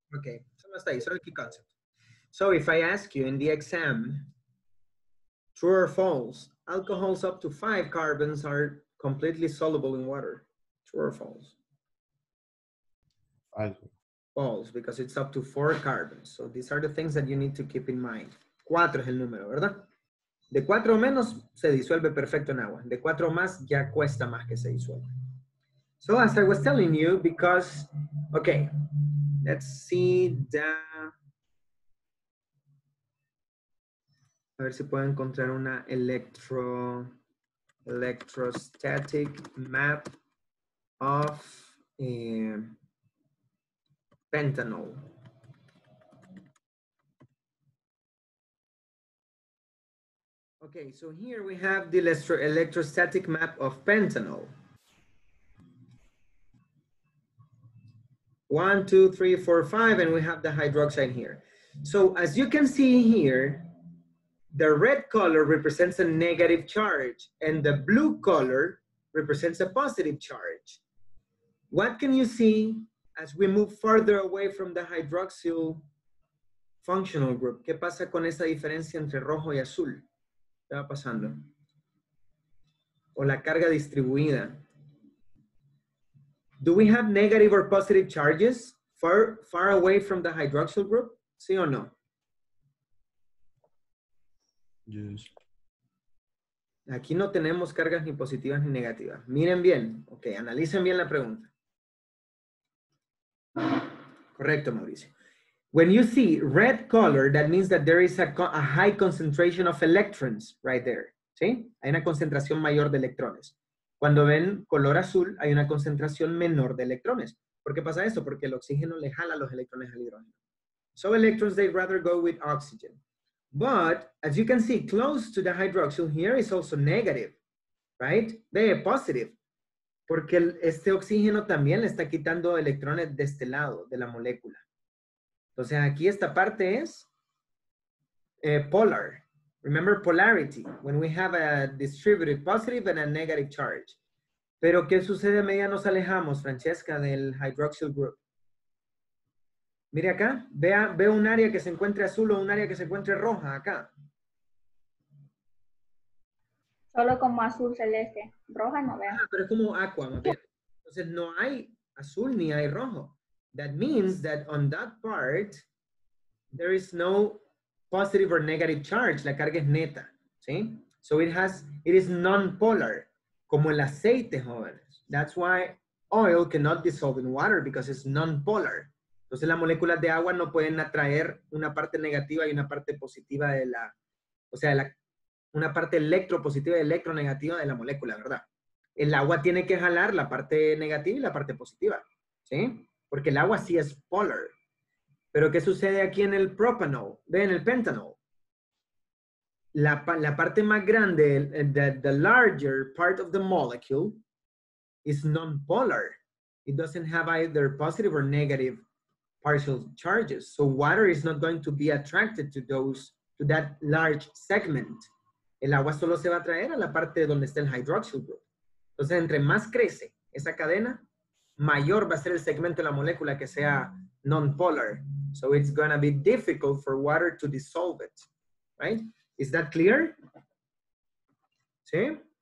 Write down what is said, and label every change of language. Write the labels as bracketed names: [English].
[English] Okay, so let's say, so key concept. So if I ask you in the exam, true or false, alcohols up to five carbons are completely soluble in water. True or false? False, because it's up to four carbons. So these are the things that you need to keep in mind. [Spanish] Cuatro es el número, ¿verdad? De cuatro o menos, se disuelve perfecto en agua. De cuatro o más, ya cuesta más que se disuelva. [English] So as I was telling you, because, okay, let's see the... [Spanish] A ver si puedo encontrar una [English] electro electrostatic map of pentanol. Okay, so here we have the electrostatic map of pentanol. 1, 2, 3, 4, 5, and we have the hydroxide here. So as you can see here, the red color represents a negative charge and the blue color represents a positive charge. What can you see as we move further away from the hydroxyl functional group? [Spanish] ¿Qué pasa con esa diferencia entre rojo y azul? ¿Qué va pasando? O la carga distribuida. [English] Do we have negative or positive charges far away from the hydroxyl group? [Spanish] ¿Sí o no? [English] Yes. [Spanish] Aquí no tenemos cargas ni positivas ni negativas. Miren bien. Ok, analicen bien la pregunta. Correcto, Mauricio. [English] When you see red color, that means that there is a high concentration of electrons right there. [Spanish] ¿Sí? Hay una concentración mayor de electrones. Cuando ven color azul, hay una concentración menor de electrones. ¿Por qué pasa eso? Porque el oxígeno le jala los electrones al hidrógeno. [English] So electrons, they'd rather go with oxygen. But, as you can see, close to the hydroxyl here is also negative, right? They're positive. [Spanish] Porque este oxígeno también le está quitando electrones de este lado, de la molécula. Entonces, aquí esta parte es polar. [English] Remember polarity, when we have a distributed positive and a negative charge. [Spanish] Pero, ¿qué sucede a medida nos alejamos, Francesca, del hydroxyl group? Mire acá, ve un área que se encuentre azul o un área que se encuentre roja acá. Solo como azul celeste, roja no vea. Pero es como agua, ¿no? Entonces no hay azul ni hay rojo. [English] That means that on that part, there is no positive or negative charge, [Spanish] la carga es neta, ¿sí? [English] So it is non-polar, [Spanish] como el aceite, jóvenes. [English] That's why oil cannot dissolve in water, because it's non-polar. [Spanish] Entonces las moléculas de agua no pueden atraer una parte negativa y una parte positiva de la, o sea, una parte electropositiva y electronegativa de la molécula, ¿verdad? El agua tiene que jalar la parte negativa y la parte positiva, ¿sí? Porque el agua sí es polar. Pero ¿qué sucede aquí en el propanol? Ve, en el pentanol. La parte más grande, [English] the larger part of the molecule, is non-polar. It doesn't have either positive or negative partial charges. So water is not going to be attracted to that large segment. [Spanish] El agua solo se va a atraer a la parte donde está el hydroxyl group. Entonces, entre más crece esa cadena, mayor va a ser el segmento de la molécula que sea non-polar. [English] So it's going to be difficult for water to dissolve it, right? Is that clear? ¿Sí?